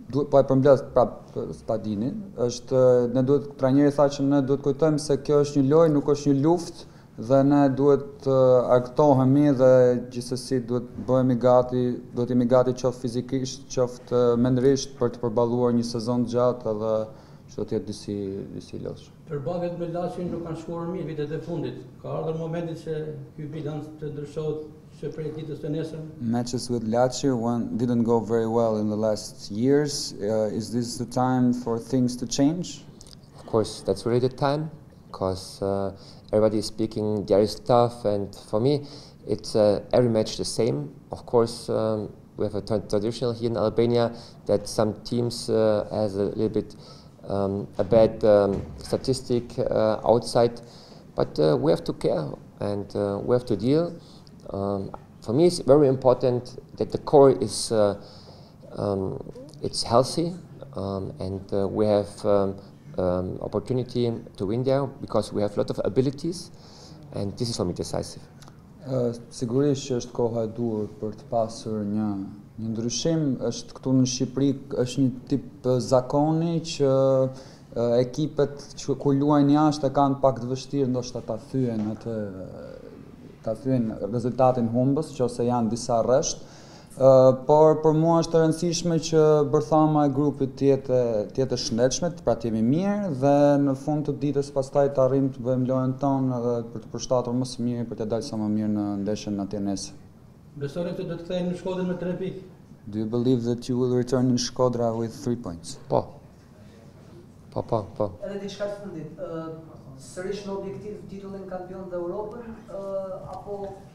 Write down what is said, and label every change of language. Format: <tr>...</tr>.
<sq>Po e përmbledh prapë stadinin. Është ne duhet trajneri tha që ne duhet kujtojmë se kjo është një lojë, nuk është një luftë dhe ne duhet të aktohemi dhe gjithsesi duhet bëhemi gati, duhet jemi gati qoftë fizikisht, qoftë mendrisht për të përballuar një sezon të gjatë edhe çdo të jetë disi lodhshëm. Përballjet me Laçin nuk kanë shkuar mirë vitet e fundit. Ka ardhur momenti që ky bilanc të ndryshohet që prej ditës së nesër.</sq> <en>Matches with Laçi didn't go very well in the last years. Is this the time for things to change? Of course, that's really the time. Because everybody is speaking their stuff, and for me, it's every match the same. Of course, we have a traditional here in Albania that some teams has a little bit a bad statistic outside, but we have to care and we have to deal. For me, it's very important that the core is it's healthy, and we have. Opportunity to win there because we have a lot of abilities, and this is for me decisive.</en> <sq>Sigurisht që është koha e duhur për të pasur një ndryshim. Është këtu në Shqipëri është një tip zakoni që ekipet që kur luajnë jashtë kanë pak të vështirë ndoshta ta thyen rezultatin humbës nëse janë disa rresht. Por për mua është e rëndësishme që bërthama e grupit tjetë shëndetshme, pra të jemi mirë dhe në fund të ditës pastaj të arrim të bëjmë lojën tonë edhe për të përshtatur më së mirë, për të dalë sa më mirë në ndeshjen në Tiranës. Besoni se do të kthehemi në Shkodër me 3 pikë.</sq> <en>Do you believe that you will return in Shkodra with 3 points?</en> <sq>Po. Po. Edhe diçka të fundit, sërish në objektiv titullin kampion dhe Europën, apo</sq>